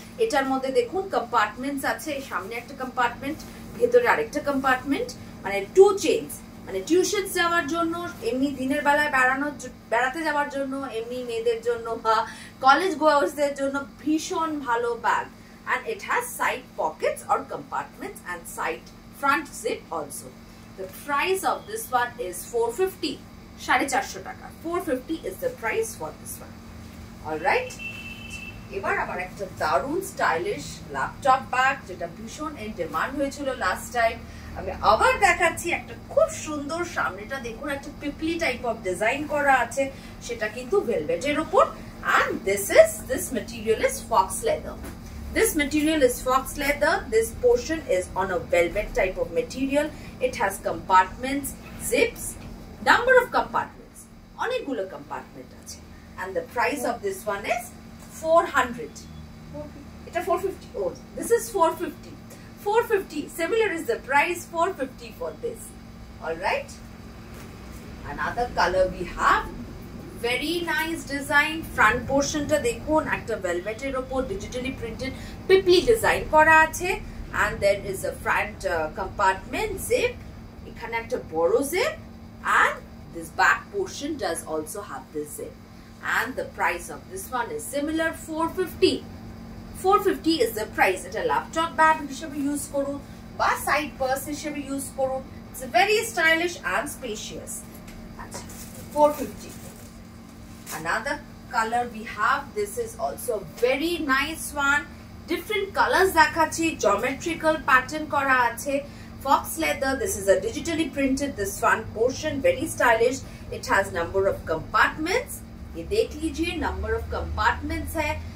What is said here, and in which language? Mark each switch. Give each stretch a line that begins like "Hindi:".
Bangla: এটার মধ্যে দেখুন কম্পার্টমেন্টস আছে, সামনে একটা কম্পার্টমেন্ট, ভেতরে আরেকটা কম্পার্টমেন্ট, মানে টু চেইনস, মানে টিউশনস যাওয়ার জন্য, এমনি দিনের বেলায় বেড়াতে যাওয়ার জন্য, এমনি মেয়েদের জন্য বা কলেজ গোয়ার্সদের জন্য ভীষণ ভালো bag.
English: And it has side pockets or compartments and side front zip also. The price of this one is 450, 450 taka. 450 is the price for this one. All right.
Bangla: এবার আবার একটা দারুন স্টাইলিশ ল্যাপটপ ব্যাগ যেটা ভীষণ N demand হয়েছিল last time, আমি আবার দেখাচ্ছি। একটা খুব সুন্দর সামনেটা দেখুন, একটা পিপলি টাইপ অফ ডিজাইন করা আছে, সেটা কিন্তু ভেলভেটের উপর,
English: And this material is fox leather. This material is fox leather. This portion is on a velvet type of material. It has compartments, zips, number of compartments.
Bangla: Onek gulo compartment ache.
English: And the price of this one is 400. It's a 450. Oh, this is 450. 450. Similar is the price, 450 for this. All right. Another color we have. Very nice design,
Bangla: front পোর্শনটা দেখুন, একটা ভেলভেটের উপর digitally printed পিপলি design করা আছে,
English: and then is a front compartment zip,
Bangla: এখানে একটা বড় zip,
English: And this back portion does also have this zip, and the price of this one is similar 450. 450 is the price.
Bangla: এটা laptop bag হিসেবে use করুন বা side purse হিসেবে use করুন,
English: It's very stylish and spacious.
Bangla: আচ্ছা, 450।
English: Another color we have, this is also very nice one. Different colors dakhachi,
Bangla: geometrical pattern kora ache,
English: fox leather, this is a digitally printed, this front portion, very stylish. It has number of compartments.
Hindi: Ye dekh lijiye, number of compartments hai.